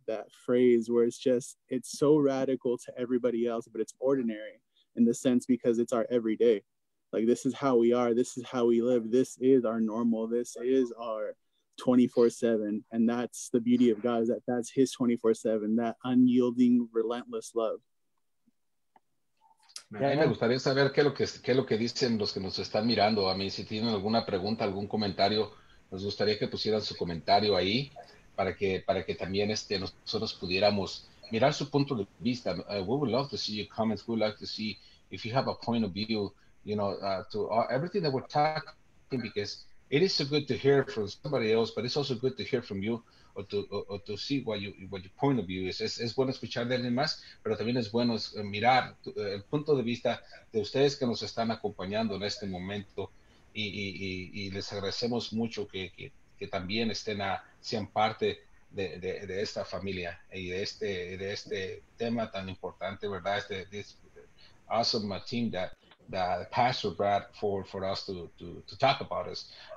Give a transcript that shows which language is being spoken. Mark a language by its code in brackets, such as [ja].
[en] That phrase where it's just, it's so radical to everybody else, but it's ordinary in the sense because it's our everyday. Like, this is how we are, this is how we live, this is our normal, this is our 24/7. And that's the beauty of God, is that that's his 24/7, that unyielding, relentless love. [es] Yeah, me gustaría saber qué es lo que dicen los que nos están mirando. A mí, si tienen alguna pregunta, algún comentario, nos gustaría que pusieran su comentario ahí para que también nosotros pudiéramos mirar su punto de vista. [en] We would love to see your comments. We would like to see if you have a point of view, you know, to everything that we're talking, because it is so good to hear from somebody else, but it's also good to hear from you or to see what your point of view is. [es] Es bueno escuchar de alguien más, pero también es bueno mirar el punto de vista de ustedes que nos están acompañando en este momento. Y les agradecemos mucho que también sean parte de esta familia y de este tema tan importante, ¿verdad? [en] This awesome team that the pastor brought for us to talk about us.